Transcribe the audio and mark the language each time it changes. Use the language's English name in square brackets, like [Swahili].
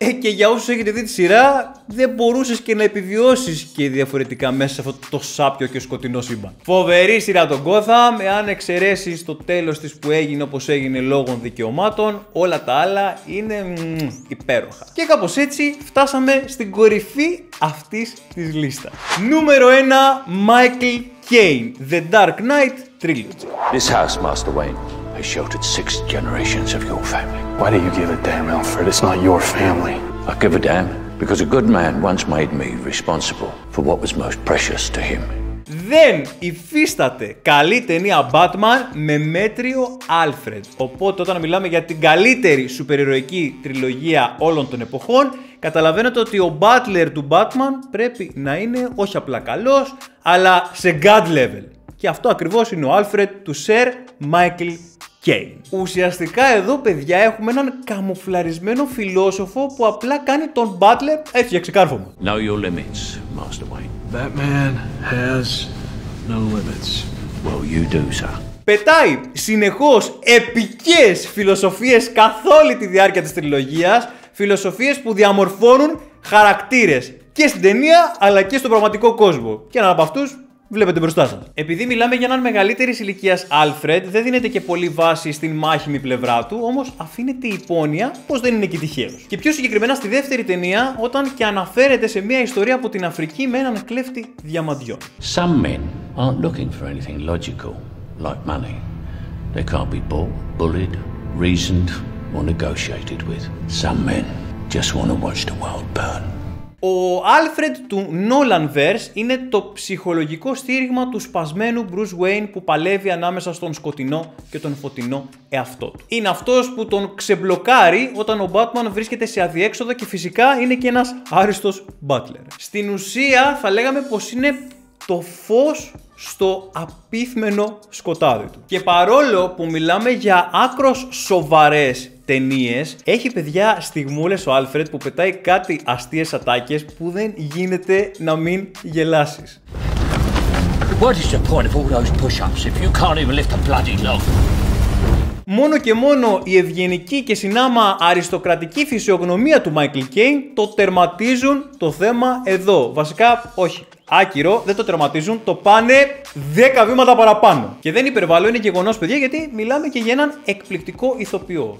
[Greek] Και για όσους έχετε δει τη σειρά, δεν μπορούσες και να επιβιώσεις και διαφορετικά μέσα σε αυτό το σάπιο και σκοτεινό σύμπαν. Φοβερή σειρά τον Gotham, εάν εξαιρέσεις το τέλος της που έγινε όπως έγινε λόγω δικαιωμάτων, όλα τα άλλα είναι υπέροχα. Και κάπως έτσι φτάσαμε στην κορυφή αυτής της λίστας. Νούμερο 1, Michael Caine, The Dark Knight Trilogy. [English] This house, Master Wayne. I sheltered 6 generations of your family. Why do you give a damn, Alfred? It's not your family. I give a damn because a good man once made me responsible for what was most precious to him. [Greek] Δεν υφίσταται καλή ταινία Batman με μέτριο Alfred. Οπότε όταν μιλάμε για την καλύτερη σουπερηρωική τριλογία όλων των εποχών, καταλαβαίνετε ότι ο Butler του Batman πρέπει να είναι όχι απλά καλός, αλλά σε [English] God level. [Greek] Και αυτό ακριβώς είναι ο Alfred του Sir Michael Caine. Ουσιαστικά εδώ, παιδιά, έχουμε έναν καμουφλαρισμένο φιλόσοφο που απλά κάνει τον Butler έτσι για ξεκάρφωμα. [English] Know your limits, Master Wayne. Batman has no limits. Well, you do, sir. [Greek] Πετάει συνεχώς επικές φιλοσοφίες καθ' όλη τη διάρκεια της τριλογίας, φιλοσοφίες που διαμορφώνουν χαρακτήρες και στην ταινία, αλλά και στον πραγματικό κόσμο. Και έναν από αυτούς βλέπετε μπροστά σας. Επειδή μιλάμε για έναν μεγαλύτερης ηλικίας Alfred, δεν δίνεται και πολύ βάση στην μάχημη πλευρά του, όμως αφήνεται η υπόνοια πως δεν είναι και τυχαίος. Και πιο συγκεκριμένα στη δεύτερη ταινία, όταν και αναφέρεται σε μια ιστορία από την Αφρική με έναν κλέφτη διαμαντιών. [English] Some men aren't looking for anything logical, like money. They can't be bought, bullied, reasoned or negotiated with. Some men just want to watch the world burn. [Greek] Ο Alfred του Nolanverse είναι το ψυχολογικό στήριγμα του σπασμένου Bruce Wayne που παλεύει ανάμεσα στον σκοτεινό και τον φωτεινό εαυτό του. Είναι αυτός που τον ξεμπλοκάρει όταν ο Batman βρίσκεται σε αδιέξοδο και φυσικά είναι και ένας άριστος butler. Στην ουσία θα λέγαμε πως είναι το φως στο απίθμενο σκοτάδι του. Και παρόλο που μιλάμε για άκρως σοβαρές ταινίες, έχει, παιδιά, στιγμούλες ο Alfred που πετάει κάτι αστείες ατάκες που δεν γίνεται να μην γελάσεις. [English] What is the point of all those push-ups if you can't even lift a bloody log? [Greek] Μόνο και μόνο η ευγενική και συνάμα αριστοκρατική φυσιογνωμία του Michael Caine το τερματίζουν το θέμα εδώ. Βασικά, όχι. Άκυρο, δεν το τερματίζουν, το πάνε 10 βήματα παραπάνω. Και δεν υπερβάλλω, είναι γεγονός, παιδιά, γιατί μιλάμε και για έναν εκπληκτικό ηθοποιό.